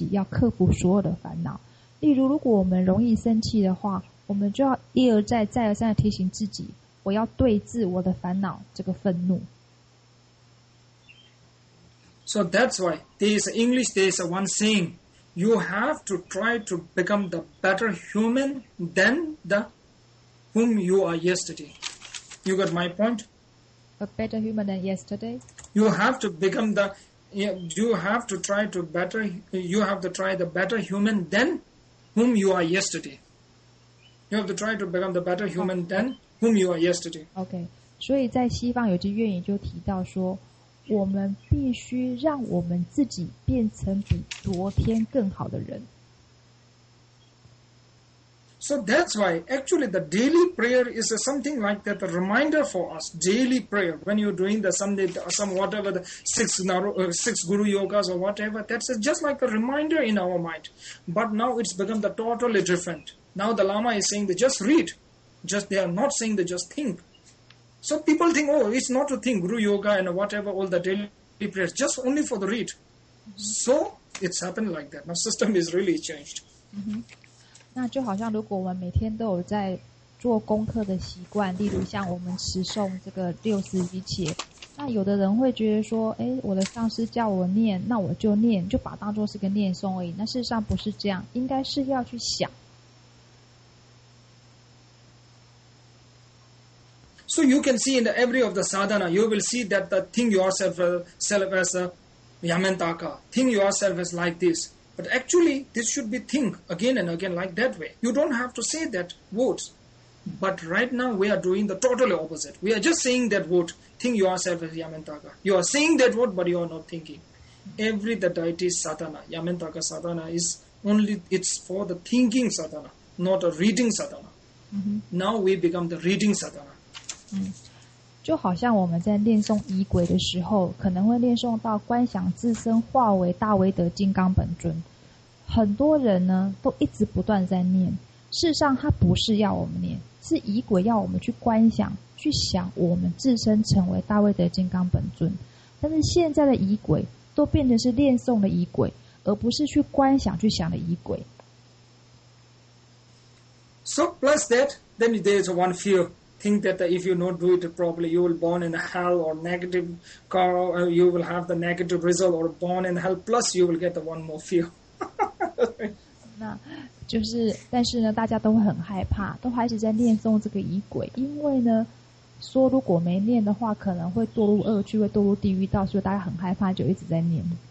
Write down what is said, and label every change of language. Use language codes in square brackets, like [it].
[zh] 我们必须立下一个目标，而且要有决心，一再不断提醒自己要克服所有的烦恼。例如，如果我们容易生气的话，我们就要一而再，再而三地提醒自己。我要对峙我的烦恼这个愤怒。 [en] So that's why there is English, there is one saying, you have to try to become the better human than the whom you are yesterday. You got my point? A better human than yesterday? You have to become the, you have to try to better, you have to try the better human than whom you are yesterday. You have to try to become the better human than whom you are yesterday. [zh] Okay, 所以在西方有句谚语就提到说我们必须让我们自己变成比昨天更好的人。 [en] So that's why actually the daily prayer is something like that, a reminder for us. Daily prayer, when you're doing the Sunday, some whatever, the six guru yogas or whatever, that's just like a reminder in our mind. But now it's become the totally different. Now the Lama is saying, just read. Just, they are not saying, just think. So people think, oh, it's not to think, Guru Yoga and whatever, all the daily prayers, just only for the read. So it's happened like that. Now system is really changed. [zh] 那就好像如果我们每天都有在做功课的习惯，例如像我们持诵这个六字一切，那有的人会觉得说，哎，我的上师叫我念，那我就念，就把当作是个念诵而已。那事实上不是这样，应该是要去想。 [en] So you can see in the every of the sadhana, you will see that the thing yourself self as a yamantaka, think yourself as like this. But actually, this should be think again and again like that way. You don't have to say that words. But right now, we are doing the totally opposite. We are just saying that word, think yourself as yamantaka. You are saying that word, but you are not thinking. Every the deity sadhana, yamantaka sadhana, is only, it's for the thinking sadhana, not a reading sadhana. Mm-hmm. Now we become the reading sadhana. [zh] 就好像我们在念诵仪轨的时候，可能会念诵到观想自身化为大威德金刚本尊，很多人呢都一直不断在念，事实上它不是要我们念，是仪轨要我们去观想，去想我们自身成为大威德金刚本尊。但是现在的仪轨都变成是念诵的仪轨，而不是去观想去想的仪轨。 [en] So plus that, then there is one fear. Think that if you don't do it properly, you will born in hell or negative karma, you will have the negative result or born in hell, plus you will get the one more fear. [zh] 那就是，但是呢，大家都会很害怕，都还是在念诵这个仪轨，因为呢，说如果没念的话，可能会堕入恶趣，会堕入地狱道，所以大家很害怕，就一直在念。